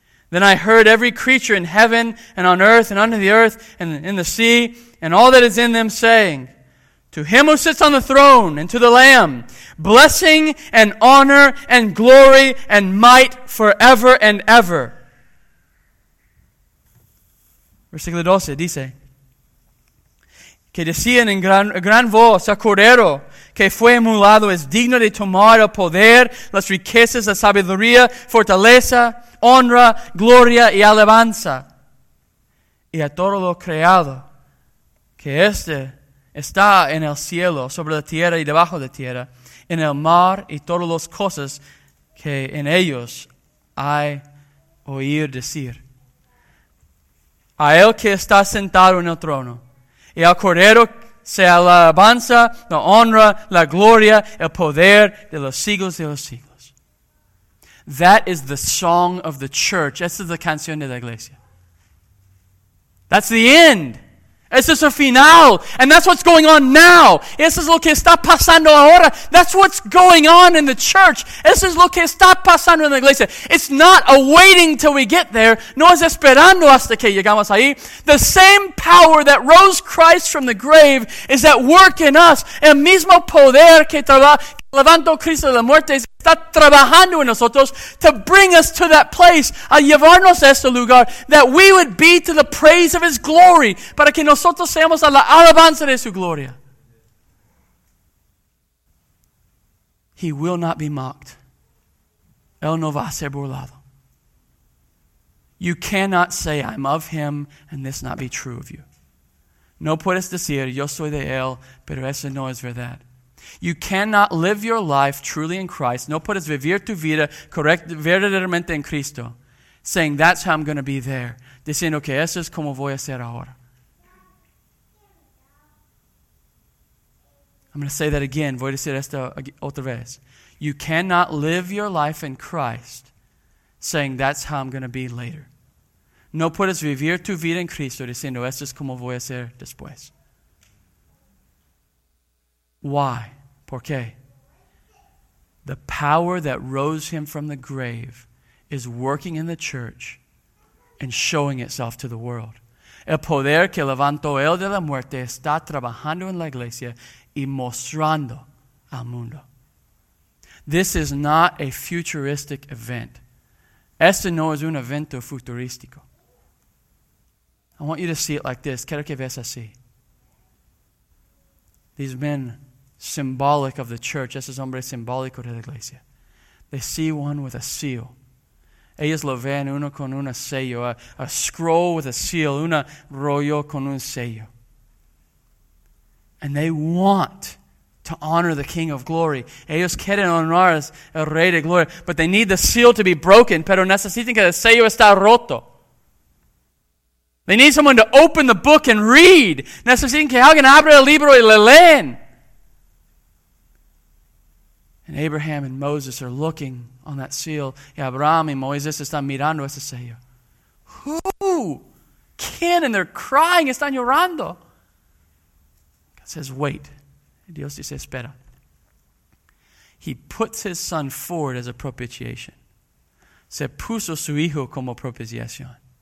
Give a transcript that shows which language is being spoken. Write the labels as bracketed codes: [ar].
[en] Then I heard every creature in heaven and on earth and under the earth and in the sea and all that is in them saying, "To him who sits on the throne and to the Lamb, blessing and honor and glory and might forever and ever." [es] Versículo 12 dice, que decían en gran voz, "El Cordero que fue inmolado es digno de tomar el poder, las riquezas, la sabiduría, fortaleza, honra, gloria y alabanza. Y a todo lo creado que este está en el cielo, sobre la tierra y debajo de tierra, en el mar y todas las cosas que en ellos hay oír decir. A él que está sentado en el trono, y al Cordero sea la alabanza, la honra, la gloria, el poder de los siglos de los siglos." [en] That is the song of the church. [es] Esa es la canción de la iglesia. [en] That's the end. Ese es el final. And that's what's going on now. [es] Eso es lo que está pasando ahora. [en] That's what's going on in the church. [es] Eso es lo que está pasando en la iglesia. [en] It's not a waiting till we get there. [es] No es esperando hasta que llegamos ahí. [en] The same power that rose Christ from the grave is at work in us. [es] El mismo poder que levantó Cristo de la muerte está trabajando en nosotros [en] to bring us to that place, [es] a llevarnos a este lugar, [en] that we would be to the praise of His glory, [es] para que nosotros seamos a la alabanza de su gloria. [en] He will not be mocked. [es] Él no va a ser burlado. [en] You cannot say, "I'm of Him, and this not be true of you." [es] No puedes decir, "Yo soy de Él, pero eso no es verdad." [en] You cannot live your life truly in Christ, [es] no puedes vivir tu vida verdaderamente en Cristo, [en] saying, "That's how I'm going to be there," [es] diciendo que eso es como voy a ser ahora. [en] I'm going to say that again, [es] voy a decir esto otra vez. [en] You cannot live your life in Christ, saying, "That's how I'm going to be later." [es] No puedes vivir tu vida en Cristo, diciendo, "Eso es como voy a ser después." [en] Why? [es] ¿Por qué? [en] The power that rose Him from the grave is working in the church and showing itself to the world. [es] El poder que levantó Él de la muerte está trabajando en la iglesia y mostrando al mundo. [en] This is not a futuristic event. [es] Este no es un evento futurístico. [en] I want you to see it like this. [es] Quiero que veas así. [en] These men, symbolic of the church, [es] esos hombres simbólicos de la iglesia, [en] they see one with a seal. [es] Ellos lo ven uno con un sello, [en] a scroll with a seal, [es] un rollo con un sello. [en] And they want to honor the King of Glory. [es] Ellos quieren honrar al Rey de Gloria, [en] but they need the seal to be broken, [es] pero necesitan que el sello está roto. [en] They need someone to open the book and read. [es] Necesitan que alguien abra el libro y le leen. [en] And Abraham and Moses are looking on that seal. [es] Y Abraham y Moisés están mirando ese sello. [en] Who? Can? And they're crying. [es] Están llorando. [en] God says, "Wait." [es] Dios dice, "Espera." [en] He puts His Son forward as a propitiation. [es] Se puso su Hijo como propiciación.